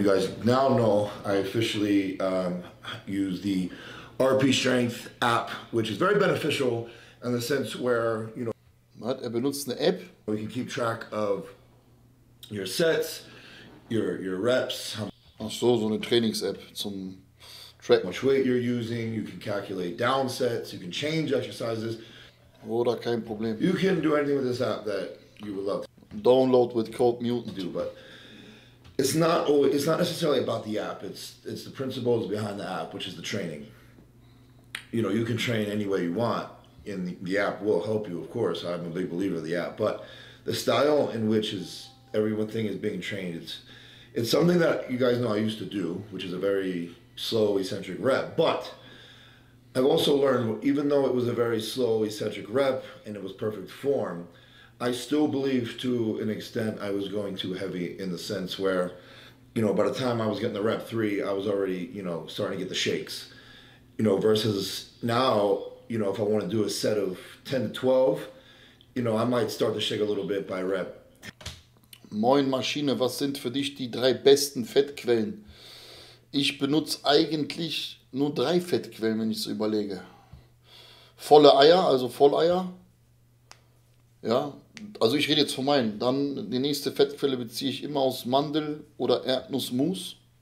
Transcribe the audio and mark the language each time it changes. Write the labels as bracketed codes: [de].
[en] You guys now know I officially use the RP Strength app, which is very beneficial in the sense where, you know, but [de] er benutzt eine App. [en] We can keep track of your sets, your reps. [de] Ach so, so eine Trainings-App zum Track. [en] Much weight you're using, you can calculate down sets, you can change exercises. [de] Oder kein Problem. [en] You can do anything with this app that you would love to. Download with code MUTANT. Do, but it's not always, it's not necessarily about the app. It's the principles behind the app, which is the training. You know, you can train any way you want, and the app will help you, of course. I'm a big believer of the app, but the style in which is everyone thing is being trained, it's something that you guys know I used to do, which is a very slow eccentric rep. But I've also learned, even though it was a very slow eccentric rep and it was perfect form, I still believe to an extent I was going too heavy, in the sense where, you know, by the time I was getting the rep three, I was already, you know, starting to get the shakes, you know, versus now, you know, if I want to do a set of 10 to 12, you know, I might start to shake a little bit by rep. [de] Moin Maschine, was sind für dich die drei besten Fettquellen? Ich benutze eigentlich nur drei Fettquellen, wenn ich so überlege. Volle Eier, also Volleier. Ja, also ich rede jetzt von meinen. Dann die nächste Fettquelle beziehe ich immer aus Mandel oder Erdnussmus.